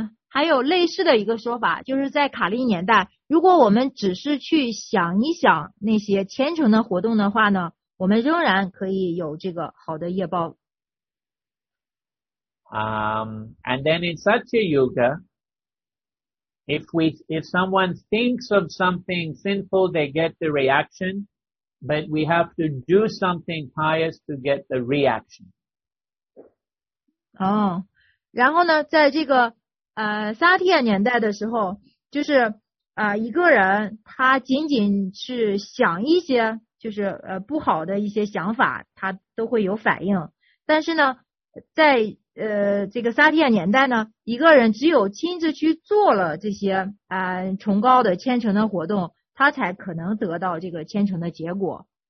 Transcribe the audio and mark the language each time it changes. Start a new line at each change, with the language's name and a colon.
Chinese: 还有类似的一个说法，就是在卡利年代，如果我们只是去想一想那些虔诚的活动的话呢，我们仍然可以有这个好的业报。
English: And then in Satya Yuga, if someone thinks of something sinful, they get the reaction, but we have to do something pious to get the reaction.
Chinese: 然后呢，在这个萨提亚年代的时候，就是一个人他仅仅是想一些就是不好的一些想法，他都会有反应。但是呢，在这个萨提亚年代呢，一个人只有亲自去做了这些崇高的虔诚的活动，他才可能得到这个虔诚的结果。